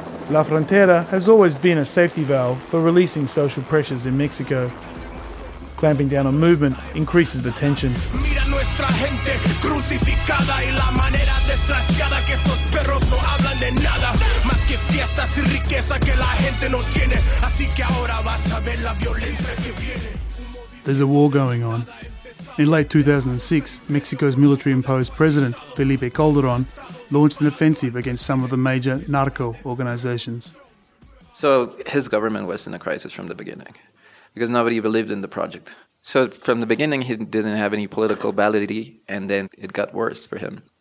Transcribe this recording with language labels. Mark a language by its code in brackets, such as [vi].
[en] La Frontera has always been a safety valve for releasing social pressures in Mexico. Clamping down on movement increases the tension. [es] Mira nuestra gente crucificada y la manera desgraciada que estos perros no hablan de nada más que fiestas y riqueza que la gente no tiene, así que ahora vas a ver la violencia que viene. [en] There's a war going on. In late 2006, Mexico's military-imposed president, Felipe Calderón, launched an offensive against some of the major narco organizations. So his government was in a crisis from the beginning, because nobody believed in the project. So from the beginning, he didn't have any political validity, and then it got worse for him.